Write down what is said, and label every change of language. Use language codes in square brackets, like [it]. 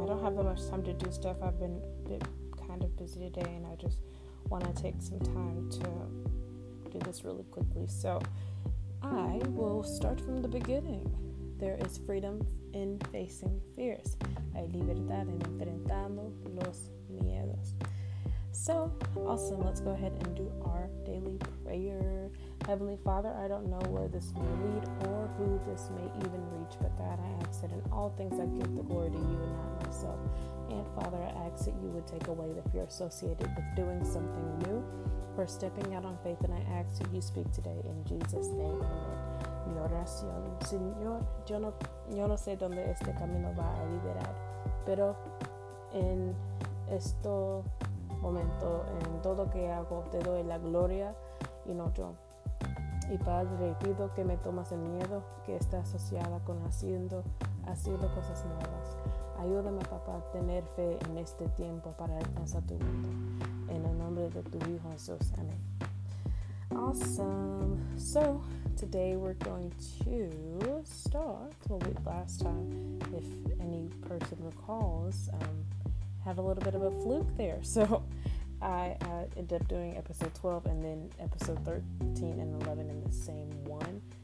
[en] I don't have that much time to do stuff. I've been a bit kind of busy today, and I just want to take some time to do this really quickly. So I will start from the beginning. There is freedom in facing fears. [es] Hay libertad en enfrentando los miedos. [en] So, awesome. Let's go ahead and do our daily prayer. Heavenly Father, I don't know where this may lead or who this may even reach, but God, I ask that in all things I give the glory to you and not myself. And Father, I ask that you would take away the fear associated with doing something new or stepping out on faith, and I ask that you speak today in Jesus' name. Amen. [es] Mi oración, Señor, yo no sé dónde este camino va a liberar, pero en esto momento, en todo que hago, te doy la gloria y no yo. Y Padre, pido que me tomas el miedo que está asociada con haciendo cosas nuevas. Ayúdame, papá, a tener fe en este tiempo para alcanzar tu mundo. En el nombre de tu Hijo Jesús. Amén. [en] Awesome. So, today we're going to start what we last time, if any person recalls. Had a little bit of a fluke there, so I ended up doing episode 12 and then episode 13 and 11 in the same one.